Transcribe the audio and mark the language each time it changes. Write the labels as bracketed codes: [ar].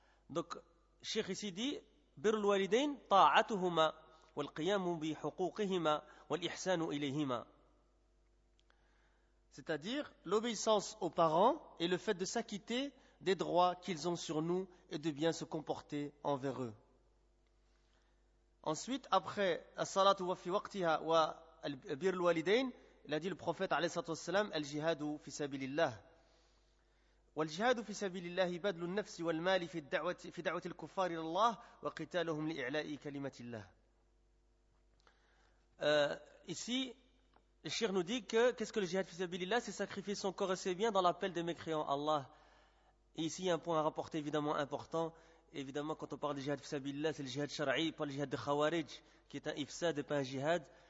[fr] Donc, Cheikh ici dit [ar] bir al-walidain ta'atuhuma والقيام بحقوقهما والإحسان إليهما. [fr] C'est-à-dire l'obéissance aux parents et le fait de s'acquitter des droits qu'ils ont sur nous et de bien se comporter envers eux. Ensuite, après [ar] الصلاة في وقتها وبر الوالدين, [fr] il a dit le prophète [ar] عليه الصلاة والسلام الجهاد في سبيل الله. والجهاد في سبيل الله بدل النفس والمال في دعوة الكفار إلى الله وقتالهم لإعلاء كلمة الله. [fr] Ici, le Shir nous dit que qu'est-ce que le jihad fisabilillah, c'est sacrifier son corps et ses biens dans l'appel des mécréants Allah. Et ici, il y a un point à rapporter évidemment important. Évidemment, quand on parle de jihad fisabilillah, c'est le jihad shara'i, pas le jihad de khawarij, qui est un ifsad et pas un jihad.